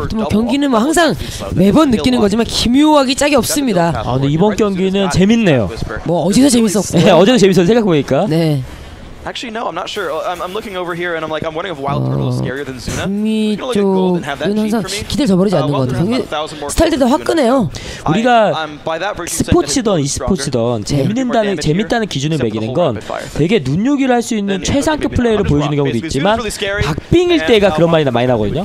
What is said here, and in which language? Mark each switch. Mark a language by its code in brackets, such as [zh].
[ko] 경기는 뭐 항상 매번 느끼는 거지만 기묘하기 짝이 없습니다. 아, 근데 이번 경기는 재밌네요. 뭐 어제도 재밌었고 네, 어제도 재밌었어요 생각해보니까. [en] 네. Actually, no. I'm not sure. I'm looking over here, and I'm like, I'm wondering if Wild Turtle is scarier than Zuna. [ko] 북미 쪽 이건 항상 기대를 저버리지 않는 것 같아요. 스타일들도 화끈해요. 우리가 스포츠든 e스포츠든 재밌는다는 재밌다는 기준을 매기는 건 되게 눈요기를 할 수 있는 최상급 플레이를 보여주는 경우도 있지만 박빙일 때가 그런 말이나 많이 나거든요.